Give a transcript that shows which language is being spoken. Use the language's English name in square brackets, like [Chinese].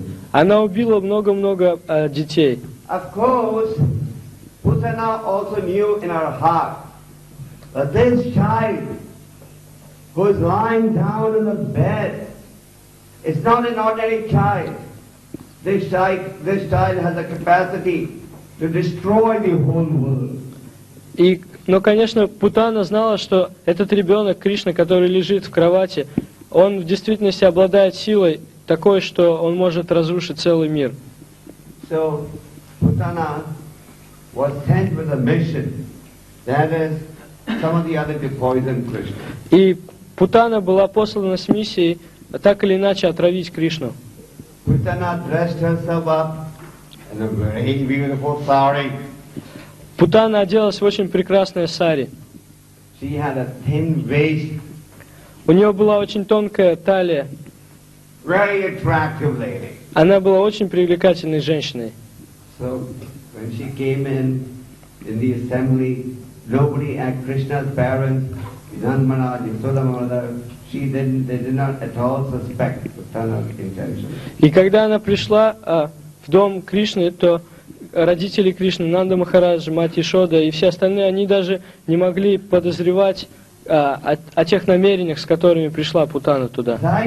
[Russian] Она убила много-много детей. [English] Of course, Putana also knew in her heart that this child who is lying down in the bed is not an ordinary child. This child has a capacity to destroy the whole world. [Russian] Но, конечно, Путана знала, что этот ребенок Кришна, который лежит в кровати, он в действительности обладает силой такой, что он может разрушить целый мир. [English] So, Putana was sent with a mission. That is, some of the other to poison Krishna. [Russian] И Путана была послана с миссией так или иначе отравить Кришну. [English] Putana dressed herself up in a very beautiful sari. [Russian] Путана оделась в очень прекрасное сари. [English] She had a thin waist. [Russian] У нее была очень тонкая талия. [English] Very attractive lady. [Russian] Она была очень привлекательной женщиной. [English] So, when she came in the assembly, nobody at Krishna's parents, Nand Maharaj, Yashoda mother, they did not at all suspect Putana's intention. [Russian] И когда она пришла в дом Кришны, то родители Кришны, Нанда Махараджа, мать Ишода и все остальные, они даже не могли подозревать о тех намерениях, с которыми пришла Путана туда.